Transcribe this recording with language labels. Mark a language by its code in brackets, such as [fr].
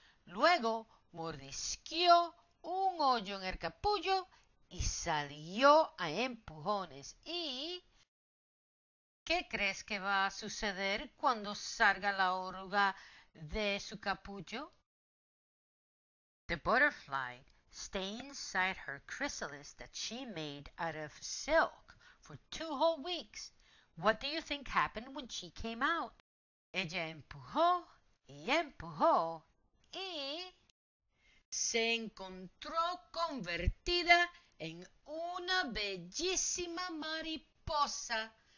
[es] Luego mordisqueó un hoyo en el capullo y salió a empujones. ¿Y qué crees que va a suceder cuando salga la oruga de su capullo? [en] The butterfly stayed inside her chrysalis that she made out of silk for 2 whole weeks. What do you think happened when she came out? [es] Ella empujó y empujó y se encontró convertida en una bellísima mariposa.